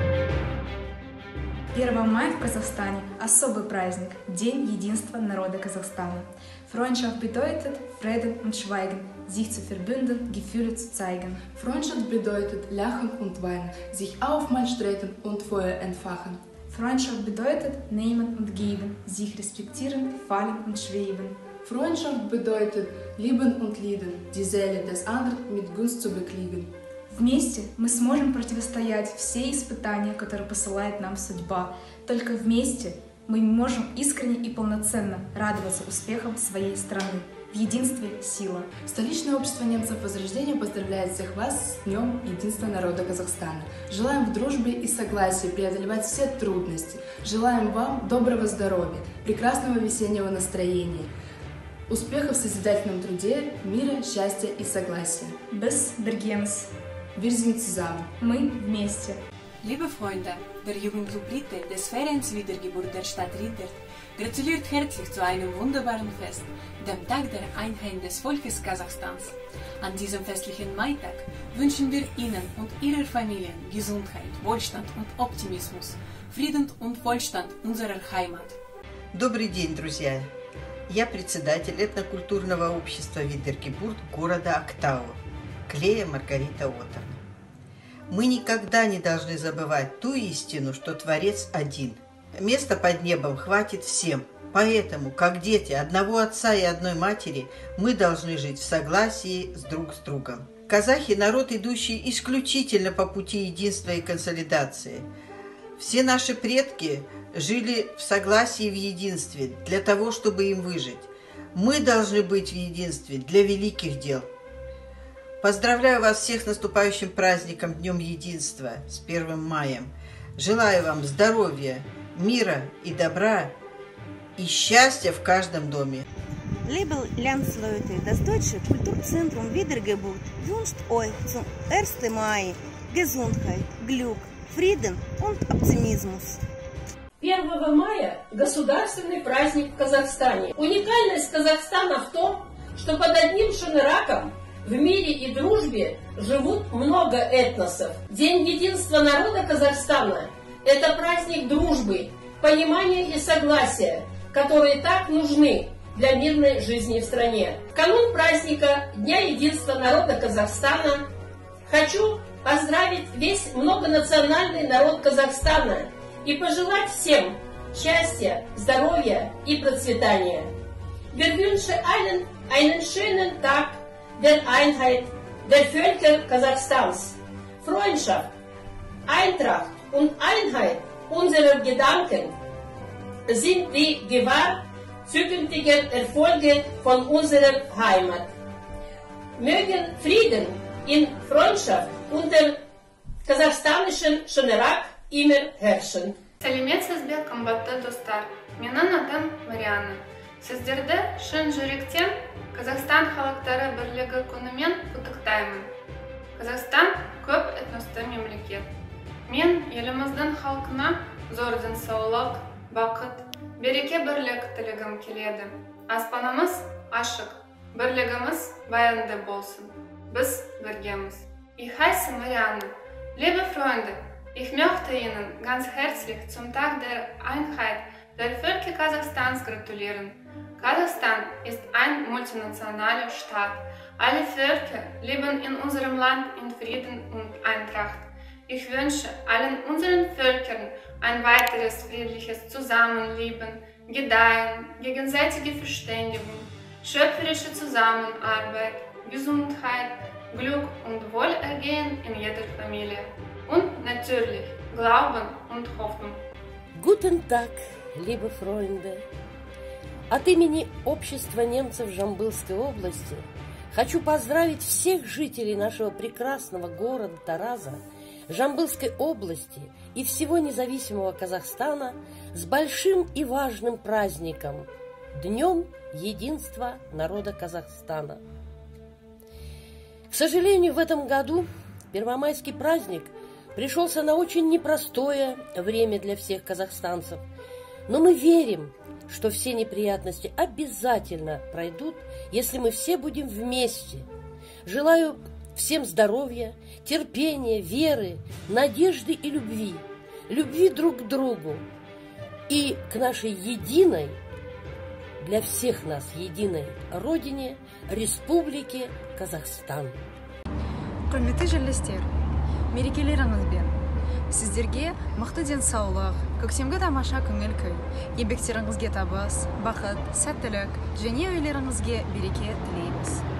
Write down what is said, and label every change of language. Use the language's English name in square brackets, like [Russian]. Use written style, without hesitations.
[Russian] отмечают в Казахстане особый праздник – День единства народа Казахстана. [German] Freundschaft bedeutet Frieden und Schweigen, sich zu verbinden, Gefühle zu zeigen. Freundschaft bedeutet Lachen und Weinen, sich aufmal streiten und Feuer entfachen. Freundschaft bedeutet Nehmen und Geben, sich respektieren, fallen und schweben. Freundschaft bedeutet Lieben und Lieben, die Seele des anderen mit Gunst zu bekriegen. [Russian] Вместе мы сможем противостоять все испытания, которые посылает нам судьба. Только вместе мы можем искренне и полноценно радоваться успехам своей страны. В единстве сила. Столичное общество немцев Возрождения поздравляет всех вас с Днем Единства народа Казахстана. Желаем в дружбе и согласии преодолевать все трудности. Желаем вам доброго здоровья, прекрасного весеннего настроения, успехов в созидательном труде, мира, счастья и согласия. [German] Bis Bergens! Wir sind zusammen. [Russian] Мы вместе. [German] Liebe Freunde, der Jugendclub Ritte des Vereins Wiedergeburt der Stadt Rittert gratuliert herzlich zu einem wunderbaren Fest, dem Tag der Einheit des Volkes Kasachstans. An diesem festlichen Maitag wünschen wir Ihnen und Ihrer Familien Gesundheit, Wohlstand und Optimismus, Frieden und Wohlstand unserer Heimat. [Russian] Добрый день, друзья! Я председатель этнокультурного общества Wiedergeburt города Актау. Клея Маргарита Отар. Мы никогда не должны забывать ту истину, что Творец один. Места под небом хватит всем. Поэтому, как дети одного отца и одной матери, мы должны жить в согласии с друг с другом. Казахи – народ, идущий исключительно по пути единства и консолидации. Все наши предки жили в согласии и в единстве для того, чтобы им выжить. Мы должны быть в единстве для великих дел. Поздравляю вас всех с наступающим праздником, Днем Единства, с 1 мая. Желаю вам здоровья, мира и добра, и счастья в каждом доме. [German] Liebe Landsleute, das Deutsche Kulturzentrum Wiedergeburt wünscht euch zum 1. Mai Gesundheit, Glück, Frieden und Optimismus. [Russian] 1 мая – государственный праздник в Казахстане. Уникальность Казахстана в том, что под одним шинераком в мире и дружбе живут много этносов. День единства народа Казахстана – это праздник дружбы, понимания и согласия, которые так нужны для мирной жизни в стране. В канун праздника Дня единства народа Казахстана хочу поздравить весь многонациональный народ Казахстана и пожелать всем счастья, здоровья и процветания. [German] Wir wünschen allen einen schönen Tag der Einheit der Völker Kasachstans, Freundschaft, Eintracht und Einheit unserer Gedanken sind die Gewahr zukünftiger Erfolge von unserer Heimat. Mögen Frieden in Freundschaft unter kasachstanischen Schönerak immer herrschen. [Kazakh] Salimet sizbek kombatte dostar, menan adam Mariana. Сіздерді шын жүректен Қазақстан халықтары бірлігі күнімен құттықтаймын. Қазақстан көп этносты мемлекет. Мен еліміздің халқына зор денсаулық, бақыт, береке бірлік тілегім келеді. Аспанымыз ашық, бірлігіміз баянды болсын. Біз біргеміз. [German] Ich heiße Marianne. Liebe Freunde, ich möchte Ihnen ganz herzlich zum Tag der Einheit der Völker Kasachstans gratulieren. Казахстан ist ein multinationaler Staat. Alle Völker leben in unserem Land in Frieden und Eintracht. Ich wünsche allen unseren Völkern ein weiteres friedliches Zusammenleben, Gedeihen, gegenseitige Verständigung, schöpferische Zusammenarbeit, Gesundheit, Glück und Wohlergehen in jeder Familie. Und natürlich Glauben und Hoffnung. Guten Tag, liebe Freunde! [Russian] От имени общества немцев Жамбылской области хочу поздравить всех жителей нашего прекрасного города Тараза, Жамбылской области и всего независимого Казахстана с большим и важным праздником – Днем Единства народа Казахстана. К сожалению, в этом году первомайский праздник пришелся на очень непростое время для всех казахстанцев, но мы верим, что все неприятности обязательно пройдут, если мы все будем вместе. Желаю всем здоровья, терпения, веры, надежды и любви. Любви друг к другу. и к нашей единой, для всех нас единой родине, Республике Казахстан. [Kazakh] Құрметті жерлестер, мерекелеріңіз бен. Сіздерге мақты денсаулық, көксемгі тамаша көңіл күй, ебектеріңізге табыс, бақыт, сәттілік, және өйлеріңізге береке тілейміз.